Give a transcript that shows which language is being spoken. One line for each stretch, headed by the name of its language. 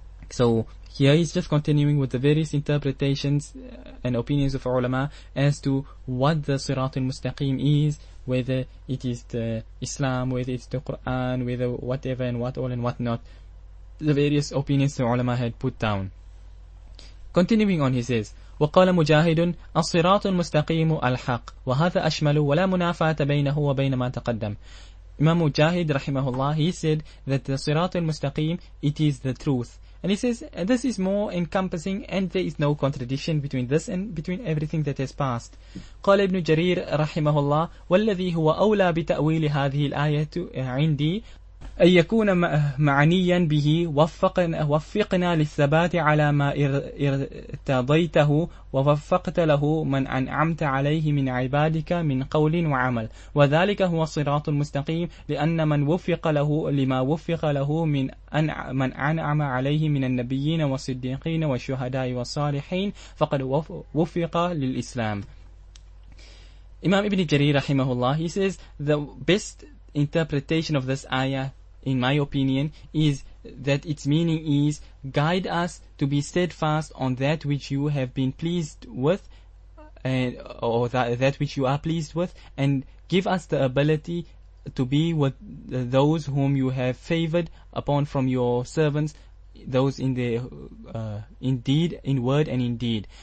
English: So here he's just continuing with the various interpretations and opinions of ulama as to what the Sirat al-Mustaqim is, whether it is the Islam, whether it's the Quran, whether whatever and what all and what not, the various opinions the ulama had put down. Continuing on, he says,
Arabic: وقال مجاهد الصراط المستقيم الحق وهذا أشمل ولا منافاة بينه وبين ما تقدم.
English: Imam Mujahid
Arabic: رحمه الله,
English: he said that the Sirat al-Mustaqim, it is the truth. And he says this is more encompassing and there is no contradiction between this and between everything that has passed.
Arabic: قال ابن جرير رحمه الله والذي هو أولى بتأويل هذه الآية عندي أن يكون معنيا به وفقنا للثبات على ما ارتضيته ووفقت له من أنعمت عليه من عبادك من قول وعمل وذلك هو الصراط المستقيم لأن من وفق له لما وفق له من أنعم عليه من النبيين والصديقين والشهداء والصالحين فقد وفق للإسلام. إمام ابن جرير رحمه الله,
English: he says the best interpretation of this ayah, in my opinion, is that its meaning is, guide us to be steadfast on that which you have been pleased with, or that which you are pleased with, and give us the ability to be with those whom you have favored upon from your servants, those in the indeed, in word and in deed.